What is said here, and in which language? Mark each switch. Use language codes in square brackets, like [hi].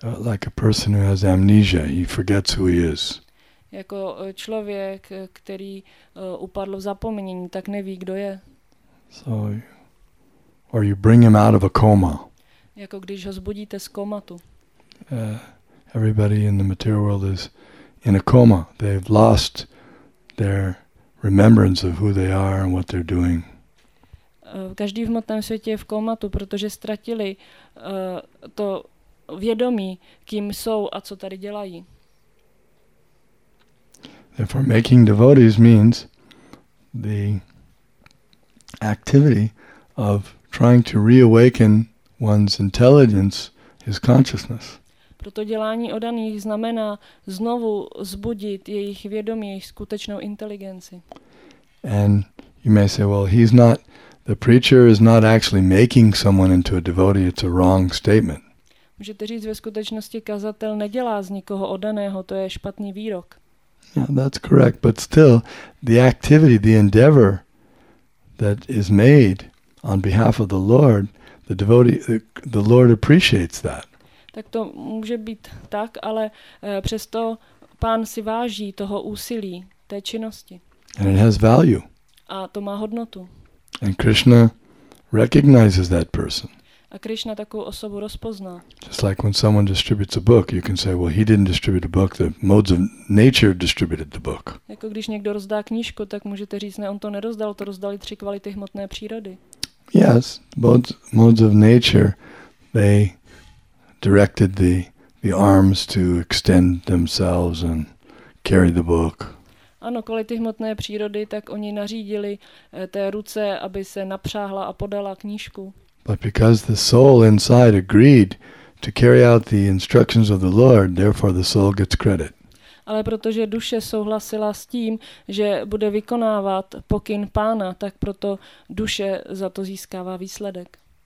[en] Like a person who has amnesia, he forgets who he is. [cs] Jako člověk, který upadl v zapomnění, tak neví, kdo je. [en] So, or you bring him out of a coma. [cs] Jako když ho zbudíte z komatu. [en] Everybody in the material world is in a coma. They've lost their remembrance of who they are and what they're doing. [cs] Každý v hmotném světě je v komatu, protože ztratili to vědomí, kým jsou a co tady dělají. [en] Therefore making devotees means the activity of trying to reawaken one's intelligence, his consciousness. [cs] Proto dělání oddaných znamená znovu zbudit jejich vědomí, jejich skutečnou inteligenci. [en] And you may say, well, he's not. The preacher is not actually making someone into a devotee, it's a wrong statement. [cs] Můžete říct, ve skutečnosti kazatel nedělá z nikoho oddaného, to je špatný výrok. [en] Yeah, that's correct, but still the activity, the endeavor that is made on behalf of the Lord, the devotee, the Lord appreciates that. [cs] Tak to může být tak, ale přesto pán si váží toho úsilí, té činnosti. [en] And it has value. [cs] A to má hodnotu. [en] And Krishna recognizes that person. [cs] A Krishna takovou osobu rozpozná. [en] Just like when someone distributes a book, you can say, well, he didn't distribute a book, the modes of nature distributed the book. [cs] Jako když někdo rozdá knížku, tak můžete říct, ne, on to nerozdal, to rozdali tři kvality hmotné přírody. [en] Yes, modes of nature, they directed the arms to extend themselves and carry the book. [cs] Ano, kvality hmotné přírody, tak oni nařídili té ruce, aby se napřáhla a podala knížku. [en] But because the soul inside agreed to carry out the instructions of the Lord, therefore the soul gets credit. [cs] Ale protože duše souhlasila s tím, že bude vykonávat pokyn pána, tak proto duše za to získává výsledek.